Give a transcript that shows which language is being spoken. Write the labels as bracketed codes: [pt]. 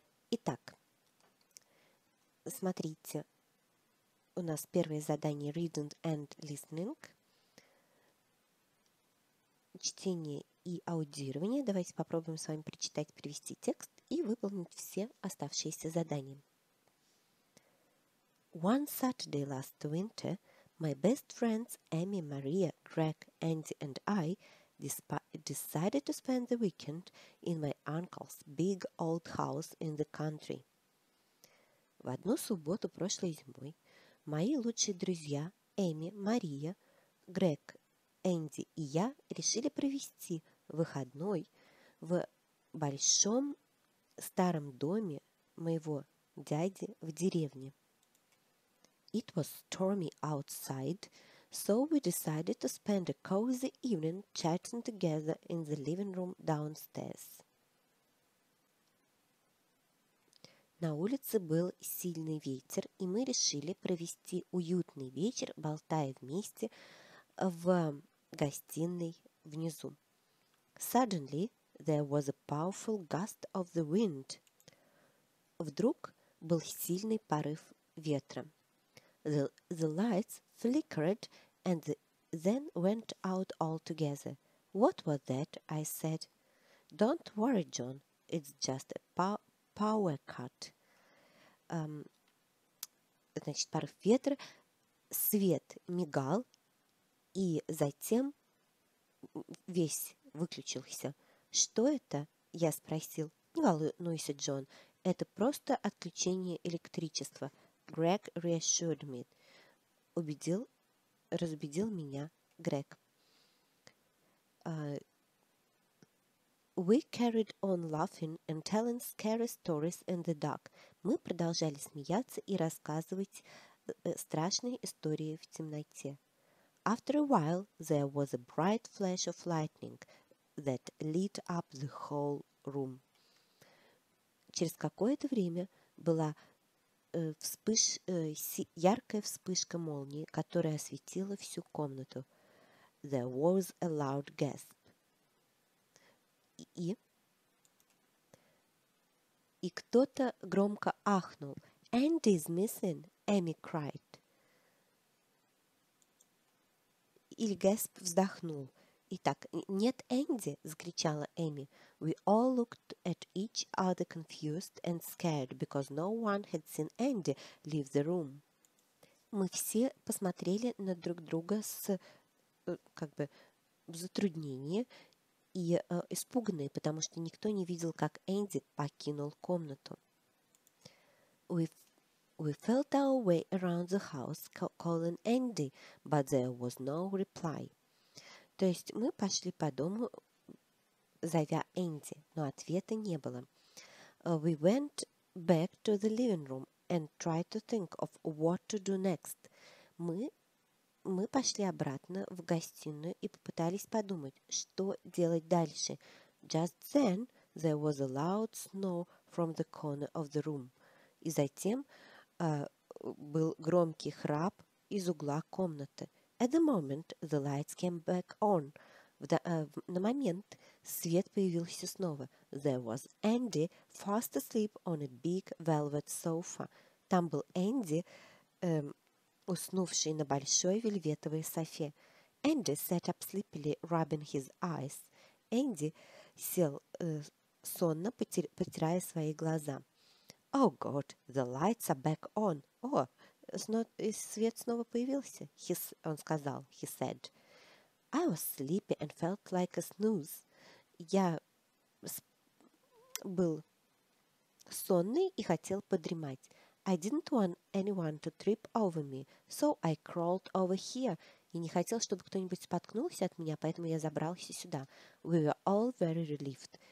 [ru] Итак, смотрите, у нас первое задание «Reading and Listening» – «Чтение и аудирование». Давайте попробуем с вами прочитать, перевести текст и выполнить все оставшиеся задания. [en] «One Saturday last winter» My best friends, Amy, Maria, Greg, Andy, and I decided to spend the weekend in my uncle's big old house in the country. [ru] В одну субботу прошлой зимой мои лучшие друзья, Эми, Мария, Грег, Энди и я решили провести выходной в большом старом доме моего дяди в деревне. [en] It was stormy outside, so we decided to spend a cozy evening chatting together in the living room downstairs. [ru] На улице был сильный ветер, и мы решили провести уютный вечер, болтая вместе в гостиной внизу. [en] Suddenly, there was a powerful gust of the wind. [ru] Вдруг был сильный порыв ветра. [en] The lights flickered and then went out altogether. What was that? I said. Don't worry, John. It's just a power cut. [ru] Значит, порыв ветра, свет мигал, и затем весь выключился. Что это? Я спросил. Не волнуйся, Джон. Это просто отключение электричества. [en] Greg reassured me. [ru] Разубедил меня Грег. [en] We carried on laughing and telling scary stories in the dark. [ru] Мы продолжали смеяться и рассказывать страшные истории в темноте. [en] After a while, there was a bright flash of lightning that lit up the whole room. [ru] Через какое-то время была яркая вспышка молнии, которая осветила всю комнату. [en] There was a loud gasp. [ru] И кто-то громко ахнул. [en] Andy's missing, Amy cried. [ru] Или gasp вздохнул. Итак, нет Энди, закричала Эми. [en] We all looked at each other confused and scared because no one had seen Andy leave the room. [ru] Мы все посмотрели на друг друга с как бы в затруднении и испуганные, потому что никто не видел, как Энди покинул комнату. [en] We felt our way around the house calling Andy, but there was no reply. [ru] То есть мы пошли по дому, зовя Энди, но ответа не было. [en] We went back to the living room and tried to think of what to do next. [ru] Мы пошли обратно в гостиную и попытались подумать, что делать дальше. [en] Just then there was a loud snow from the corner of the room. [ru] И затем был громкий храп из угла комнаты. [en] At the moment, the lights came back on. [ru] На момент свет появился снова. [en] There was Andy fast asleep on a big velvet sofa. [ru] Там был Энди, уснувший на большой вельветовой софе. [en] Andy sat up sleepily, rubbing his eyes. [ru] Энди сел сонно, потирая свои глаза. [en] Oh, God, the lights are back on. Oh, [ru] и свет снова появился, [en] he said. I was sleepy and felt like a snooze. [ru] Я был сонный и хотел подремать. [en] I didn't want anyone to trip over me, so I crawled over here. [ru] Я не хотел, чтобы кто-нибудь споткнулся от меня, поэтому я забрался сюда. [en] We were all very relieved.